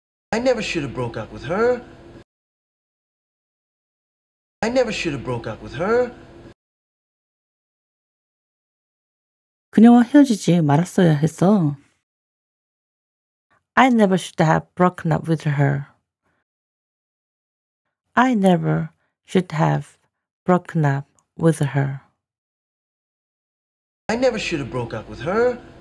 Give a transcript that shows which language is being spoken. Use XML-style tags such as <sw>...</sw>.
<en>I never should have broke up with her. I never should have broke up with her.</en> <ko>그녀와 헤어지지 말았어야 했어.</ko> <en>I never should have broken up with her. I never should have broken up with her. I never should have broke up with her.</en>